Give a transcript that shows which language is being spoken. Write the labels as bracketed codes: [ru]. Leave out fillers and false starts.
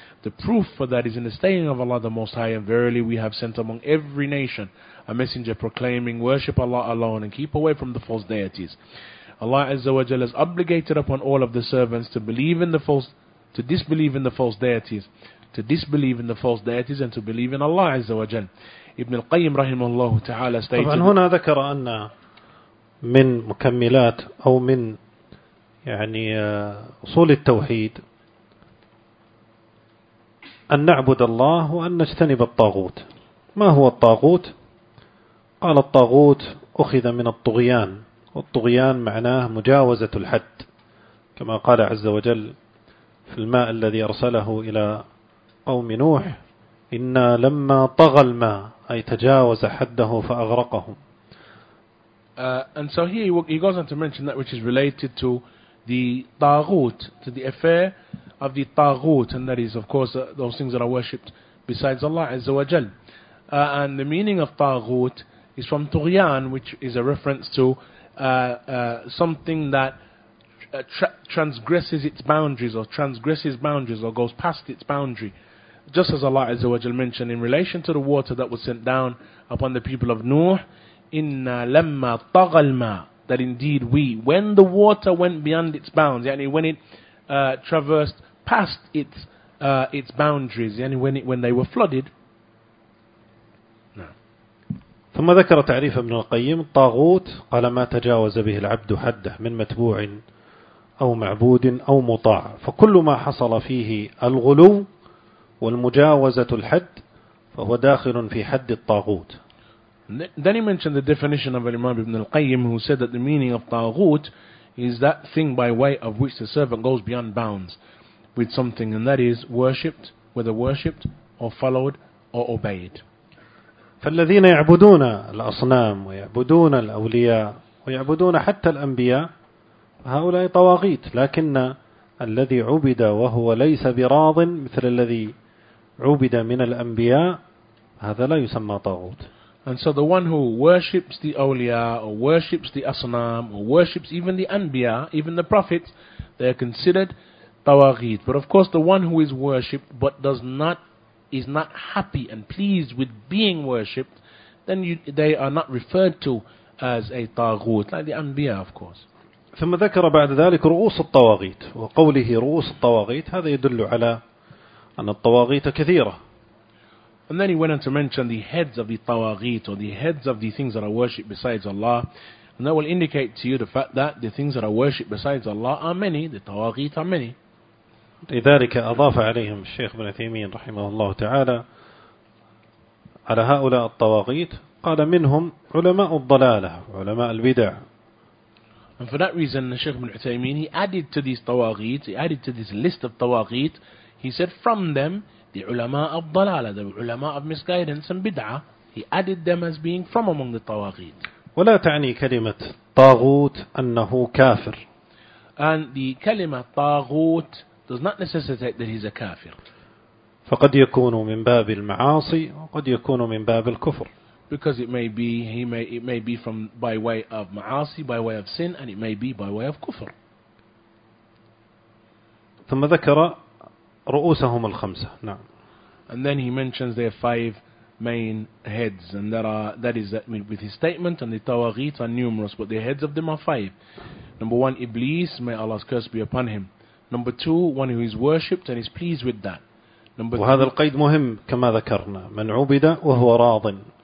[en] The proof for that is in the saying of Allah the Most High, and verily we have sent among every nation a messenger proclaiming worship Allah alone and keep away from the false deities. Allah Azza wa Jalla has obligated upon all of the servants to disbelieve in the false deities and to believe in Allah Azza wa Jal. Ibn al-Qayyim rahimahullah ta'ala stated. [ar] طبعا هنا ذكر أن من مكملات أو من يعني أصول التوحيد أن نعبد الله وأن نجتنب الطاغوت. ما هو الطاغوت؟ قال الطاغوت أخذ من الطغيان، والطغيان معناه مجاوزة الحد، كما قال عز وجل في الماء الذي أرسله إلى قوم نوح، إنا لما طغى الماء، أي تجاوز حده فأغرقهم. [en] And so he goes on to mention that which is related to the طاغوت, to the affair of the طاغوت, and that is of course those things that are worshipped besides Allah عز وجل. And the meaning of طاغوت is from طغيان, which is a reference to something that transgresses its boundaries or transgresses boundaries or goes past its boundary. Just as Allah Azza wa Jalla mentioned in relation to the water that was sent down upon the people of Nuh, [ar] inna lamma tagalma, [en] that indeed we, when the water went beyond its bounds, yani when it traversed past its boundaries, yani when they were flooded. [ar] ثم ذكر تعريف ابن القيم الطاغوت قال ما تجاوز به العبد حده من متبوع أو معبود أو مطاع فكل ما حصل فيه الغلو والمجاوزة الحد فهو داخل في حد الطاغوت. [en] Then he mentioned the definition of Imam Ibn al-Qayyim, who said that the meaning of طاغوت is that thing by way of which the servant goes beyond bounds with something, and that is worshipped, whether worshipped or followed or obeyed. [ar] فالذين يعبدون الأصنام ويعبدون الأولياء ويعبدون حتى الأنبياء هؤلاء طواغيت، لكن الذي عبد وهو ليس براض مثل الذي عبد من الأنبياء هذا لا يسمى طاغوت. [en] And so the one who worships the awliya or worships the asnam or worships even the anbiya, even the prophets, they are considered tawaghit. But of course the one who is worshipped but is not happy and pleased with being worshipped, then they are not referred to as a taghut, like the anbiya of course. [ar] ثم ذكر بعد ذلك رؤوس الطواغيت وقوله رؤوس الطواغيت هذا يدل على أن الطواغيت كثيرة. [en] And then he went on to mention the heads of the tawaghit, or the heads of the things that are worshipped besides Allah. And that will indicate to you the fact that the things that are worshipped besides Allah are many, the tawaghit are many. [ar] لذلك أضاف عليهم الشيخ ابن تيمين رحمه الله تعالى على هؤلاء الطواغيت قال منهم علماء الضلالة علماء البدع. [en] And for that reason, the Sheikh Ibn Uthaymeen, he added to these tawaghit, he added to this list of tawaghit, he said, from them, the ulama of dalala, the ulama of misguidance and bid'ah, he added them as being from among the tawaghit. [ar] ولا تعني كلمة طاغوت أنه كافر. [en] And the kalima طاغوت does not necessitate that he's a kafir. [ar] فقد يكون من باب المعاصي وقد يكون من باب الكفر. [en] Because it may be from by way of ma'asi, by way of sin, and it may be by way of kufr. [ar] ثم ذكر رؤوسهم الخمسة. نعم. [en] And then he mentions their five main heads, and with his statement, and the tawaghit are numerous, but the heads of them are five. Number one, Iblis, may Allah's curse be upon him. Number two, one who is worshipped and is pleased with that. Number [ar] وهذا [en] three, [ar] القيد مهم كما ذكرنا من عبد وهو راض.